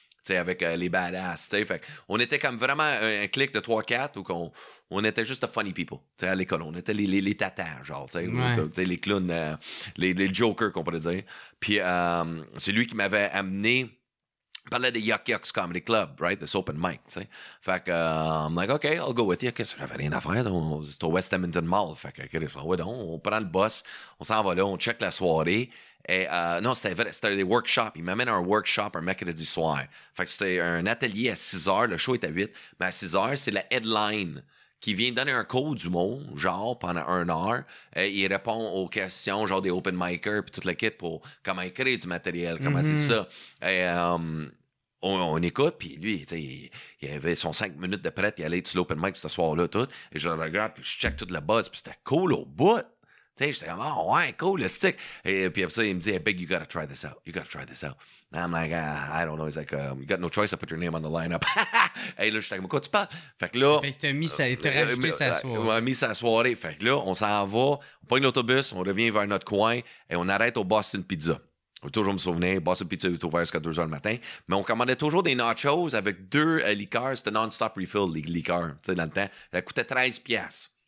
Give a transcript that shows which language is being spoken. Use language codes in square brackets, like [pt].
[fr] Tu sais, avec les badass. Tu sais, fait qu'on était comme vraiment un clic de 3-4 où qu'on. On était juste [en] the funny people, [fr] tu sais, à l'école. On était les tatans, genre, tu sais, ouais. Les clowns, les jokers, qu'on pourrait dire. Puis, c'est lui qui m'avait amené, parlait de Yuck Yuck's Comedy Club, right? [en] This open mic, tu sais. [fr] Fait que, [en] I'm like, OK, I'll go with you. [fr] OK, ça n'avait rien à faire. C'est au West Edmonton Mall. Fait que, okay, ouais, donc, on prend le bus, on s'en va là, on check la soirée. Et, non, c'était vrai, c'était des workshops. Il m'amène à un workshop un mercredi soir. Fait que c'était un atelier à 6 heures. Le show est à 8. Mais à 6 heures, c'est la headline. Qui vient donner un cours du monde, genre, pendant une heure. Et il répond aux questions, genre, des open micers puis toute l'équipe pour comment écrire du matériel, comment c'est ça. Et on écoute, puis lui, tu sais, il avait son 5 minutes de prêt, il allait sur l'open mic ce soir-là, tout. Et je regarde, puis je check toute la buzz, puis c'était cool au bout. Tu sais, j'étais comme, oh, ouais, cool, le stick. Et puis après ça, il me dit, [en] hey, Big, you gotta try this out. [fr] You gotta try this out. [en] I'm like, I don't know. He's like, you got no choice. I put your name on the lineup. [fr] Hey, là, je suis comme, quoi, tu parles? Fait que là. Fait que t'as mis sa, t'as rajouté sa soirée. On a mis sa soirée. Fait que là, on s'en va. On prend l'autobus. On revient vers notre coin. Et on arrête au Boston Pizza. Je vais toujours me souvenir. Boston Pizza est ouvert jusqu'à 2 h le matin. Mais on commandait toujours des nachos avec deux liqueurs. C'était non-stop refill, les liqueurs. Tu sais, dans le temps. Ça coûtait 13$.